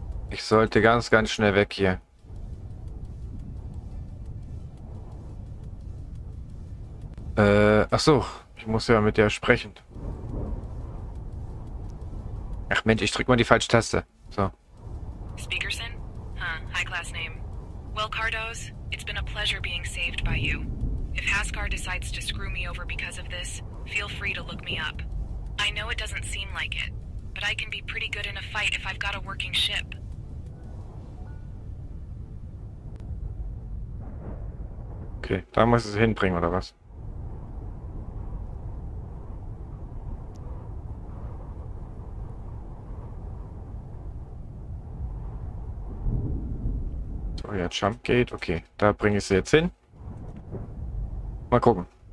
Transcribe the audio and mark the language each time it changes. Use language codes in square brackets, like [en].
[de] Ich sollte ganz, ganz schnell weg hier. Ach so, ich muss ja mit dir sprechen. Ach Mensch, ich drück mal die falsche Taste. So. [en] Speakerson? Huh, high class name. Well, Cardos, it's been a pleasure being saved by you. If Haskar decides to screw me over because of this, feel free to look me up. I know it doesn't seem like it, but I can be pretty good in a fight if I've got a working ship. [de] Okay, da muss ich es hinbringen, oder was? So, ja, Jump Gate, okay, da bringe ich sie jetzt hin. Mal gucken.